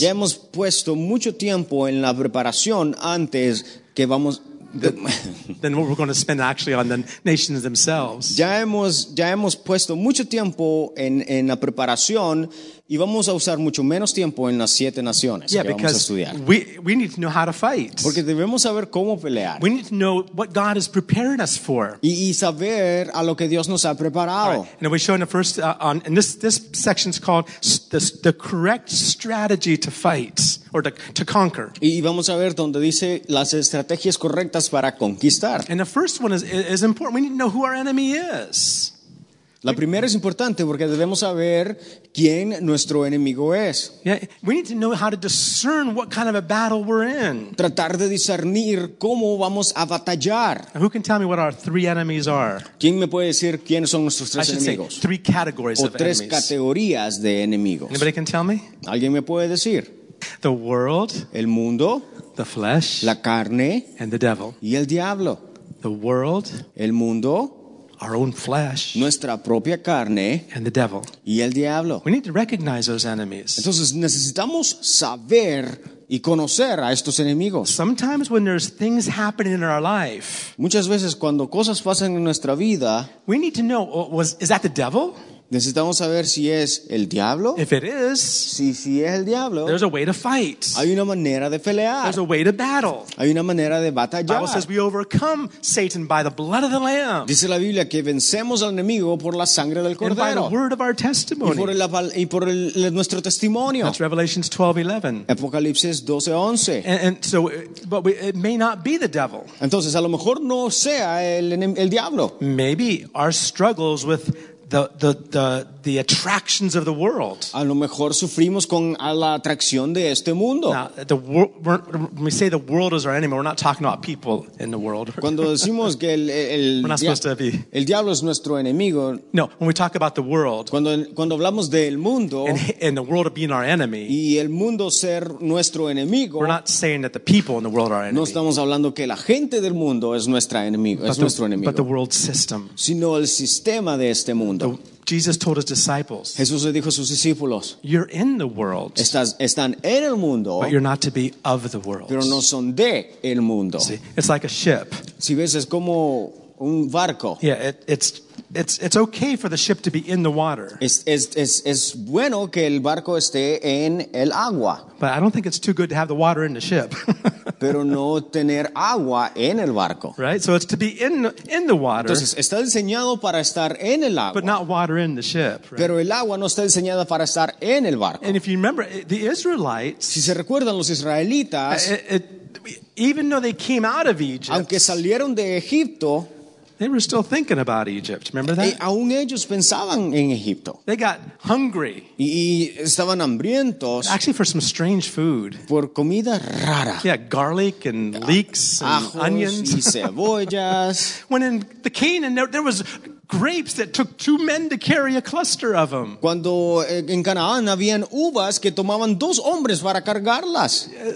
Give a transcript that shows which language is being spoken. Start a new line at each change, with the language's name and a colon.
Spanish: Ya hemos puesto mucho tiempo en la preparación antes que vamos.
English: Than what we're going to spend actually on the nations themselves.
Spanish: Ya hemos puesto mucho tiempo en la preparación y vamos a usar mucho menos tiempo en las siete naciones
English: yeah,
Spanish: que vamos a estudiar.
English: We need to know how to fight.
Spanish: Porque debemos saber cómo pelear.
English: We need to know what God has prepared us for.
Spanish: Y saber a lo que Dios nos ha preparado.
English: Right. And we show in the first on and this section is called the correct strategy to fight or to conquer.
Spanish: Y vamos a ver donde dice las estrategias correctas para conquistar.
English: And the first one is important. We need to know who our enemy is.
Spanish: La primera es importante porque debemos saber quién nuestro enemigo es.
English: Yeah, we need to know how to discern what kind of a battle we're in.
Spanish: Tratar de discernir cómo vamos a batallar.
English: Who can tell me what our three enemies are?
Spanish: ¿Quién me puede decir quiénes son nuestros tres enemigos?
English: Say, three categories
Spanish: o
English: of
Spanish: tres
English: enemies.
Spanish: Categorías de enemigos.
English: Anybody can tell me?
Spanish: ¿Alguien me puede decir?
English: The world,
Spanish: el mundo,
English: the flesh,
Spanish: la carne,
English: and the devil.
Spanish: Y el diablo.
English: The world,
Spanish: el mundo,
English: our own flesh,
Spanish: nuestra propia carne,
English: and the devil.
Spanish: Y el diablo.
English: We need to recognize those enemies.
Spanish: Entonces necesitamos saber y conocer a estos enemigos.
English: Sometimes when there's things happening in our life,
Spanish: muchas veces cuando cosas pasan en nuestra vida,
English: we need to know, is that the devil?
Spanish: Necesitamos saber si es el diablo.
English: If it is,
Spanish: si es el diablo,
English: there's a way to fight.
Spanish: Hay una manera de pelear.
English: There's a way to battle.
Spanish: Hay una manera de batallar.
English: The Bible says we overcome Satan by the blood of the Lamb.
Spanish: Dice la Biblia que vencemos al enemigo por la sangre del cordero.
English: And by the word of our testimony.
Spanish: Y por nuestro testimonio.
English: That's Revelations 12:11.
Spanish: Apocalipsis 12:11.
English: And so, but it may not be the devil.
Spanish: Entonces, a lo mejor no sea el diablo.
English: Maybe our struggles with the attractions of the world.
Spanish: A lo mejor sufrimos con la atracción de este mundo.
English: Now, when we say the world is our enemy, we're not talking about people in the world.
Spanish: Cuando decimos que el diablo es nuestro enemigo.
English: No, when we talk about the world.
Spanish: Cuando hablamos del mundo.
English: And the world being our enemy.
Spanish: Y el mundo ser nuestro enemigo.
English: We're not saying that the people in the world are our enemy.
Spanish: No estamos hablando que la gente del mundo es nuestra enemigo.
English: But
Spanish: es nuestro enemigo.
English: But the world system.
Spanish: Sino el sistema de este mundo.
English: Jesus told his disciples.
Spanish: Jesús le dijo a sus discípulos.
English: You're in the world.
Spanish: Están en el mundo.
English: But you're not to be of the world.
Spanish: Pero no son de el mundo.
English: See, it's like a ship.
Spanish: Si ves, es como un barco.
English: Yeah, it's okay for the ship to be in the water.
Spanish: Es bueno que el barco esté en el agua.
English: But I don't think it's too good to have the water in the ship.
Spanish: Pero no tener agua en el barco.
English: Right? So it's to be in the water.
Spanish: Entonces está diseñado para estar en el agua.
English: But not water in the ship. Right?
Spanish: Pero el agua no está diseñada para estar en el barco.
English: And if you remember the Israelites,
Spanish: si se recuerdan los israelitas,
English: even though they came out of Egypt,
Spanish: aunque salieron de Egipto,
English: they were still thinking about Egypt. Remember that?
Spanish: Aún ellos pensaban en Egipto.
English: They got hungry.
Spanish: Y estaban hambrientos.
English: Actually, for some strange food.
Spanish: Por comida rara.
English: Yeah, garlic and leeks and onions.
Spanish: Y cebollas.
English: When in the Canaan, there was grapes that took two men to carry a cluster of them.
Spanish: Cuando en Canaán habían uvas que tomaban dos hombres para cargarlas.